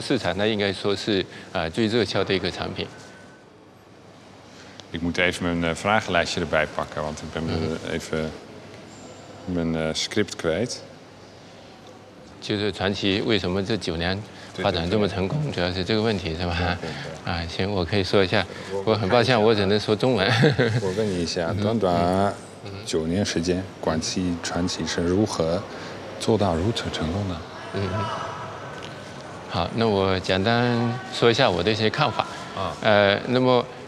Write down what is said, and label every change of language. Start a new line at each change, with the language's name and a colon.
Chinese: 这是你们的公司。对，这是我们公司生产的所有产品，那都展示在这里。现在这个车呢，一年可以销到，去年一年就卖了30万台。不会吧？是的。真的？对，那么，从15年上市到现在，已经卖了70多万台了。所以在中国这个汽车市场呢，应该说是最热销的一个产品。
Dutch: Ik moet even mijn vragenlijstje erbij pakken, want ik ben even mijn script kwijt. Dus
Chinese: 传奇为什么这九年发展这么成功，主要是这个问题是吧？行，我可以说一下，我很抱歉，我只能说中文。我问你一下，短短9年时间，广汽传奇是如何做到如此成功的？好，那我简单说一下我的一些看法。那么。